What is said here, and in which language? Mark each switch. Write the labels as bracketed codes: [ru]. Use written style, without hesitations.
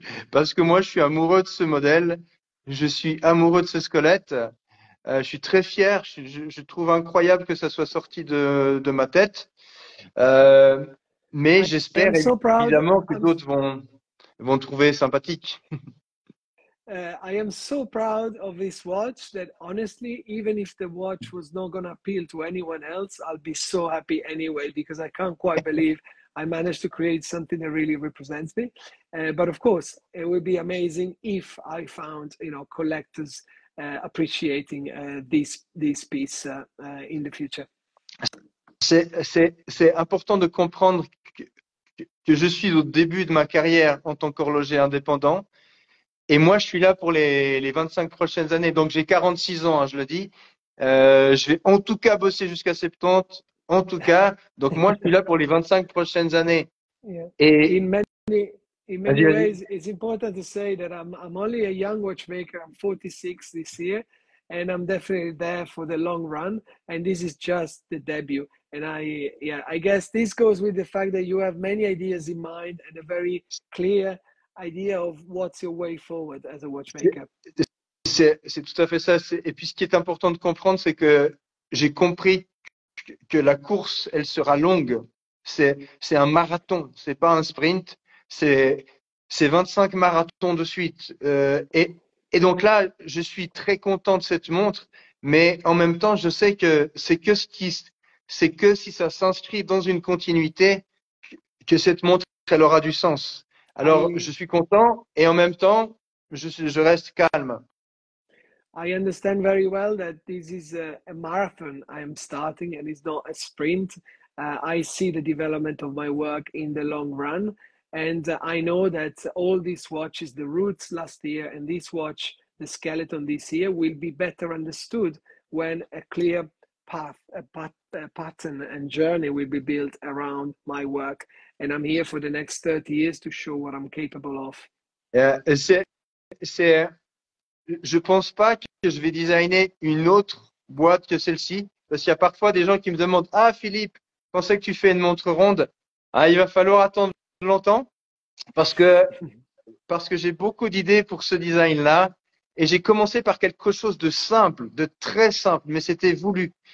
[fr] Parce que moi, je suis amoureux de ce modèle. Je suis amoureux de ce squelette. Je suis très fier. Je trouve incroyable que ça soit sorti de ma tête. Mais j'espère évidemment que d'autres vont trouver sympathique. [en] I am so proud of this watch that honestly, even if the watch was not going to appeal to anyone else, I'll be so happy anyway, because I can't quite believe I managed to create something that really represents me. But of course, it would be amazing if I found, you know, collectors appreciating this piece in the future. [fr] C'est important de comprendre que je suis au début de ma carrière en tant qu'horloger indépendant. Et moi, je suis là pour les 25 prochaines années. Donc, j'ai 46 ans, hein, je le dis. Je vais en tout cas bosser jusqu'à 70, en tout cas. Donc, moi, je suis là pour les 25 prochaines années. [en] Yeah. [fr] Et [en] in many ways, it's important to say that I'm only a young watchmaker. I'm 46 this year, and I'm definitely there for the long run. And this is just the debut. And I guess this goes with the fact that you have many ideas in mind and a very clear idea of what's your way forward as a watchmaker. [fr] C'est tout à fait ça. Et puis ce qui est important de comprendre, c'est que j'ai compris que la course, elle sera longue. C'est un marathon, c'est pas un sprint. C'est 25 marathons de suite. Et donc là, je suis très content de cette montre, mais en même temps, je sais que c'est que si ça s'inscrit dans une continuité que cette montre, elle aura du sens. Alors, je suis content et en même temps, je reste calme. [en] I understand very well that this is a marathon I am starting and it's not a sprint. I see the development of my work in the long run. And I know that all these watches, the Roots last year and this watch, the Skeleton this year, will be better understood when a clear path, a pattern and journey will be built around my work. And I'm here for the next 30 years to show what I'm capable of. [fr] Je pense pas que je vais designer une autre boîte que celle-ci, parce qu'il y a parfois des gens qui me demandent « Ah, Philippe, quand c'est que tu fais une montre ronde ?» Ah, il va falloir attendre longtemps, parce que j'ai beaucoup d'idées pour ce design-là, et j'ai commencé par quelque chose de simple, de très simple, mais c'était voulu.